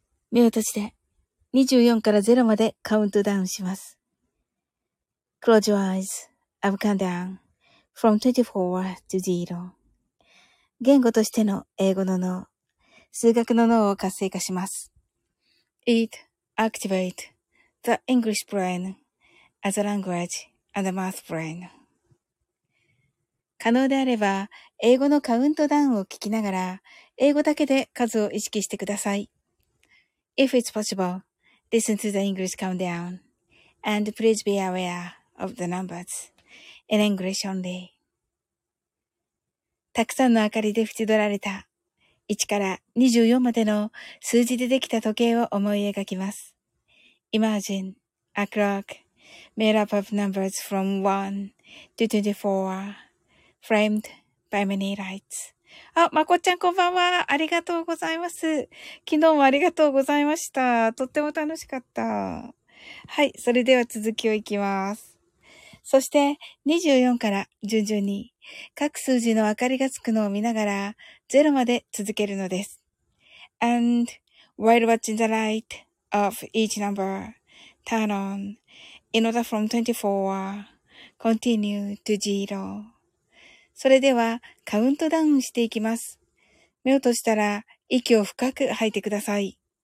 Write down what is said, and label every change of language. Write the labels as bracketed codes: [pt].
[ja] 目を閉じて24から0までカウントダウンします。 [en] Close your eyes. I'm counting down from 24 to 0. [ja] 言語としての英語の脳、数学の脳を活性化します。 [en] It activate the English brain as a language and a math brain. [ja] 可能であれば、英語のカウントダウンを聞きながら、英語だけで数を意識してください。 [en] If it's possible, listen to the English countdown and please be aware of the numbers in English only. [ja] たくさんの明かりで縁取られた1から24までの数字でできた時計を思い描きます。 [en] Imagine a clock made up of numbers from 1 to 24 framed by many lights. [ja] あ、まこちゃんこんばんは。ありがとうございます。昨日もありがとうございました。とっても楽しかった。はい、それでは続きをいきます。そして24から順々に各数字の明かりがつくのを見ながら0まで続けるのです。 [en] And while watching the light of each number turn on in order from 24 continue to 0. [ja] それではカウントダウンしていきます。目を閉じたら息を深く吐いてください。